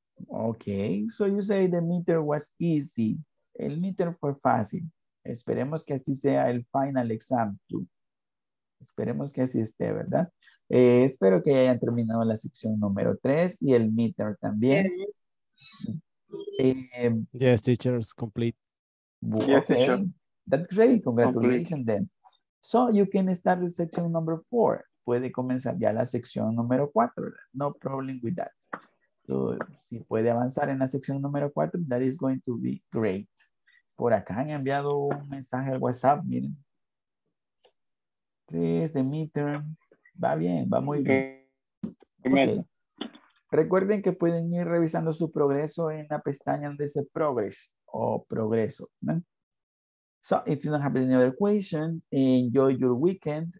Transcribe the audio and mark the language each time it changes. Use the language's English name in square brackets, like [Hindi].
[English] Okay, so you say the midterm was easy. [Spanish] El midterm fue fácil. Esperemos que así sea el [English] final exam too. [Spanish] Esperemos que así esté, ¿verdad? Espero que hayan terminado la sección número 3 y el midterm también. [English] Yes, teachers, complete. Okay, yes, teacher. That's great. Congratulations, complete. Then. So, you can start the section number 4. [Spanish] Puede comenzar ya la sección número 4. [English] No problem with that. [Spanish] So, si puede avanzar en la sección número 4, [English] that is going to be great. [Spanish] Por acá han enviado un mensaje al WhatsApp, miren. 3 de midterm. Va bien, va muy bien. [English] Okay. [Spanish] Recuerden que pueden ir revisando su progreso en la pestaña donde dice progress o progreso. [English] So, if you don't have any other question, enjoy your weekend.